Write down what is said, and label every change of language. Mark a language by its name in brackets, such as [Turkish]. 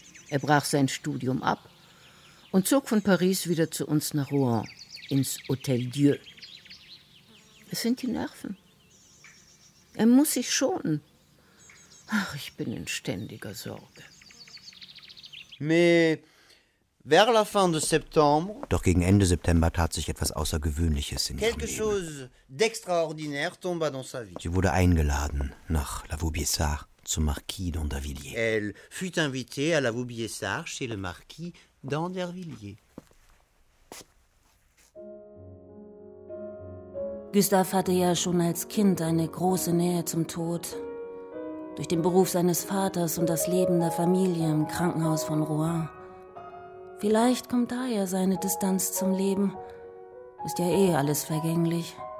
[German] Er brach sein Studium ab und zog von Paris wieder zu uns nach Rouen, ins Hôtel Dieu. Es sind die Nerven. Er muss sich schonen. Ach, ich bin in ständiger Sorge. [French] Mais vers la fin de septembre, [German] doch gegen Ende September tat sich etwas Außergewöhnliches in [French] quelque chose d'extraordinaire tomba dans sa vie. [German] Sie wurde eingeladen nach La Vaubyessard zum Marquis d'Andervilliers. [French] Elle fut invitée à La Vaubyessard chez le Marquis d'Andervilliers. [German] Gustav hatte ja schon als Kind eine große Nähe zum Tod. Durch den Beruf seines Vaters und das Leben der Familie im Krankenhaus von Rouen. Vielleicht kommt daher seine Distanz zum Leben. Ist ja eh alles vergänglich.